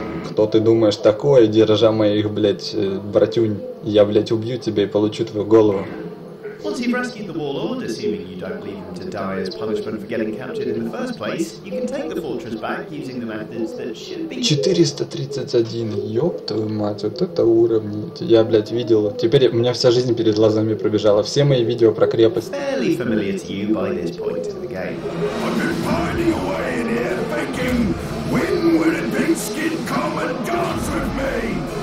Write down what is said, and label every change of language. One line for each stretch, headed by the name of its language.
Russian: Кто ты думаешь такое, держа моих, блять, братюнь, я, блять, убью тебя и получу твою голову.
English: Once you've rescued the warlord, assuming you don't leave him to die as punishment for getting captured in the first place, you can take the fortress back using the methods that should be...
Russian: 431, ёб твою мать, вот это уровни. Я, блядь, видел, теперь у меня вся жизнь перед глазами пробежала, все мои видео про крепость.
English: Fairly familiar to you by this point in the game. I've been finding a way in here, thinking, when will it be skin come and dance with me?